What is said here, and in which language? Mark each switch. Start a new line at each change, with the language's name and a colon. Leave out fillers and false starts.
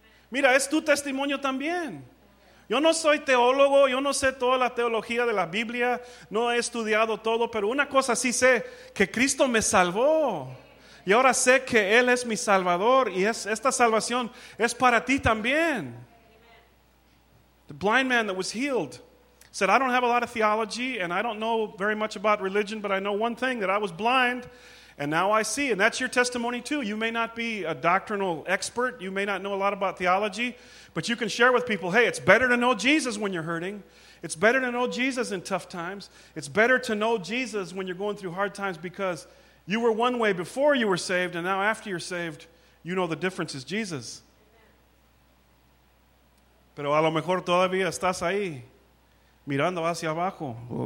Spanish: Mira, es tu testimonio también. Yo no soy teólogo, yo no sé toda la teología de la Biblia, no he estudiado todo, pero una cosa sí sé, que Cristo me salvó. Y ahora sé que Él es mi Salvador y esta salvación es para ti también. Amen.
English: The blind man that was healed said, I don't have a lot of theology and I don't know very much about religion, but I know one thing, that I was blind and now I see. And that's your testimony too. You may not be a doctrinal expert. You may not know a lot about theology, but you can share with people, hey, it's better to know Jesus when you're hurting. It's better to know Jesus in tough times. It's better to know Jesus when you're going through hard times, because you were one way before you were saved, and now after you're saved, you know the difference is Jesus.
Spanish: Pero a lo mejor todavía estás ahí, mirando hacia abajo.